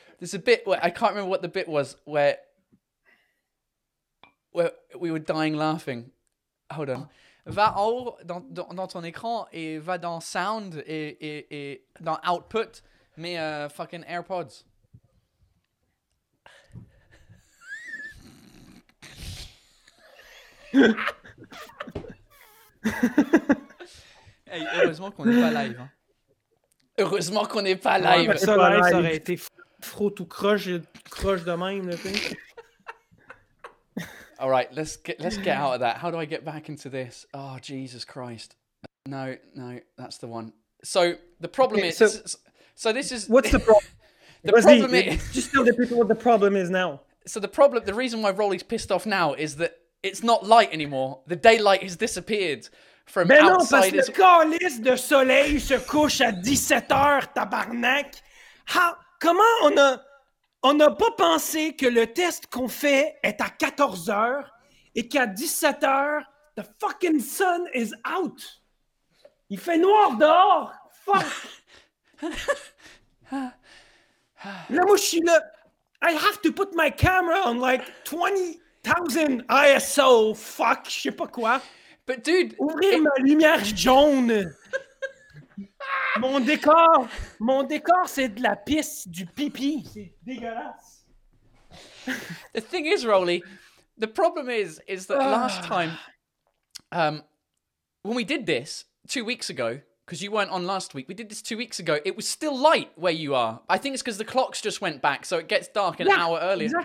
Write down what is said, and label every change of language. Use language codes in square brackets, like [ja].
[en] There's a bit where. I can't remember what the bit was where we were dying laughing. Hold on. [fr] Va en haut dans ton écran et va dans sound et dans output, mets fucking AirPods. Hey, heureusement qu'on n'est pas live. Hein. Heureusement qu'on n'est pas live. Ouais, ça, live. Ça aurait été fro tout croche de même. [en] All right, let's get out of that. How do I get back into this? Oh, Jesus Christ. No, no, that's the one. So, the problem okay, is... So this is... What's the problem? The problem is... Just tell the people what the problem is now. So the problem... The reason why Rolly's pissed off now is that it's not light anymore. The daylight has disappeared from [fr] mais [en] outside... [fr] Mais non, parce que le calice de soleil se couche à 17h, tabarnak. How... Comment on a... On n'a pas pensé que le test qu'on fait est à 14 heures et qu'à 17 heures, [en] the fucking sun is out. [fr] Il fait noir dehors. Fuck. Là, moi, je suis là. [en] I have to put my camera on like 20,000 ISO. [fr] Fuck, je sais pas quoi. [en] But dude, [fr] ouvrir ma lumière jaune. mon décor, c'est de la pisse, du pipi. C'est dégueulasse. [en] The thing is, Rolly, the problem is that last time, when we did this 2 weeks ago, because you weren't on last week, we did this 2 weeks ago, it was still light where you are. I think it's because the clocks just went back, so it gets dark an hour earlier.